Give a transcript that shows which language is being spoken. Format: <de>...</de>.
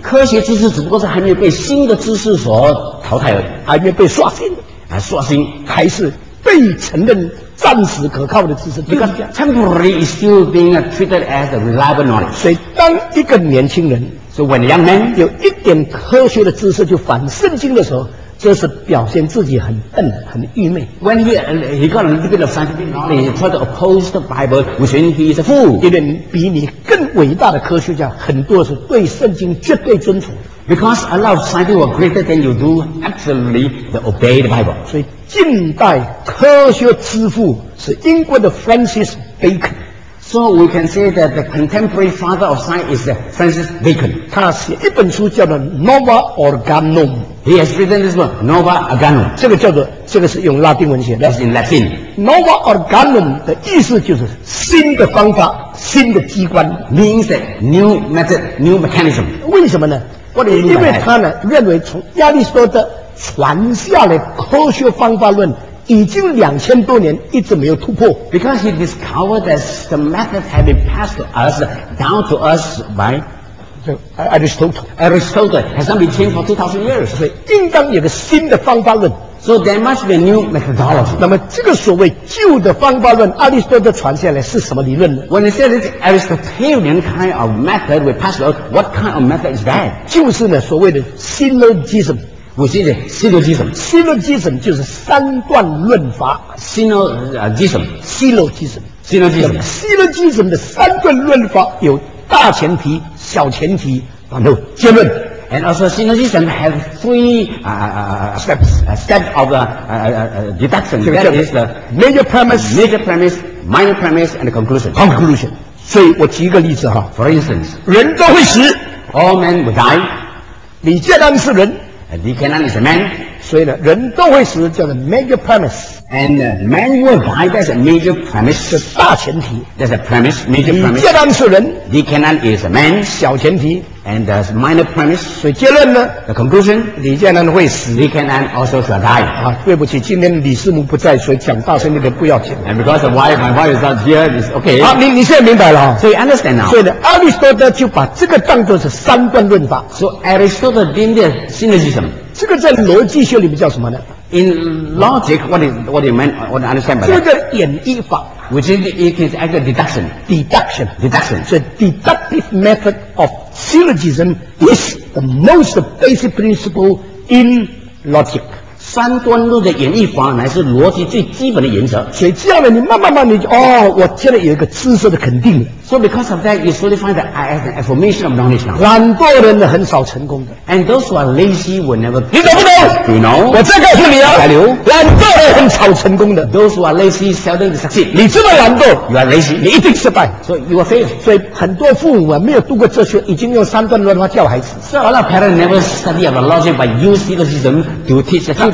<zh>科学知识只不过是还没有被新的知识所淘汰而已，还没有被刷新。啊，刷新还是被承认。暂时可靠的知识，</zh> <en>这个 temporary is still being treated as a reliable knowledge.</en> <zh>所以，当一个年轻人</zh> <en>，so when a young man</en> <zh>有一点科学的知识就反圣经的时候，这是表现自己很笨、很愚昧。</zh> <en>When he got a little bit of scientific knowledge, he tried to oppose the Bible, which means he is a fool.</en> <zh>一点比你更伟大的科学家，很多是对圣经绝对遵从。</zh> <en>Because a lot of scientists are greater than you do, absolutely they obey the Bible.</en> <zh>所以近代科学之父是英国的 Francis Bacon.</zh> <en>So we can say that the contemporary father of science is Francis Bacon.</en> <zh>他写一本书叫做 Nova Organum.</zh> <en>He has written this book, Nova Organum.</en> <zh>这个叫做，这个是用拉丁文写的。</zh> <en>It's in Latin.</en> <zh>Nova Organum 的意思就是新的方法，新的机关。</zh> <en>Means that new method, new mechanism.</en> <zh>为什么呢？因为他呢认为从亚里士多德传下来科学方法论已经两千多年一直没有突破。</zh> <en>Because he discovered that the method had been passed to us down to us by Aristotle. Aristotle has not been changed for 2,000 years.</en> <zh>所以应当有个新的方法论。</zh> <en>So there must be a new methodology.</en> <zh>那么这个所谓旧的方法论，亚里士多德传下来是什么理论呢？</zh> <en>When he said it's Aristotelian kind of method, we pass out. What kind of method is that?</en> <zh>就是呢所谓的 syllogism.</zh> <en>Which is syllogism.</en> <zh>Syllogism 就是三段论法。</zh> <en>Syllogism.</en> <zh>Syllogism 的三段论法有大前提、小前提、然后结论。</zh> <en>And also, syllogism has three steps. Steps of the deduction. That is the major premise, minor premise, and the conclusion.</en> <zh>Conclusion. 所以我举一个例子哈。</zh> <en>For instance,</en> <zh>人都会死。</zh> <en>All men will die.</en> <zh>李建安是人。</zh> <en>李建安 is a man.</en> <zh>所以呢，人都会死叫做 major premise。</zh> <en>And man will die. That's a major premise.</en> <zh>是大前提。</zh> <en>That's a premise, major premise.</en> <zh>李建安是人。</zh> <en>李建安 is a man.</en> <zh>小前提。</zh> <en>And there's minor premise.</en> <zh>所以结论呢</zh> <en>？The conclusion.</en> <zh>李建安会死。</zh> <en>李建安 also shall die.</en> <zh>啊，对不起，今天李师母不在，所以讲大声一点不要紧。</zh> <en>And because of why my wife is not here, it's okay.</en> <zh>好、啊，你现在明白了、哦。</zh> <en>So you understand now.</en> <zh>所以呢，亚里士多德就把这个当作是三段论法。</zh> <en>So Aristotle didn't have syllogism.</en> <zh>这个在逻辑学里面叫什么呢</zh> <en>？In logic, what do you understand by that?</en> <zh>这个演绎法。</zh> <en>Which is it is actually deduction. So deductive method of syllogism is the most basic principle in logic.</en> <zh>三段论的演绎法乃是逻辑最基本的原则。所以这样呢，你慢慢你就哦，我现在有一个知识的肯定。</zh> <en>So because of that, you slowly find that I have an affirmation of knowledge now.</en> <zh>懒惰人呢很少成功的。</zh> <en>And those who are lazy will never.</en> <zh>你懂不懂</zh> <en>？You know.</en> <zh>我再告诉你啊。来刘。懒惰人很少成功的。</zh> <en>Those who are lazy seldom succeed.</en> <zh>你这么懒惰</zh> <en>，You are lazy.</en> <zh>你一定失败。</zh> <en>So you are failed.</en> <zh>所以很多父母啊没有读过哲学，已经用三段论法教孩子。</zh> <en>So a lot of parents never study about logic, but use syllogism to teach the children.</en>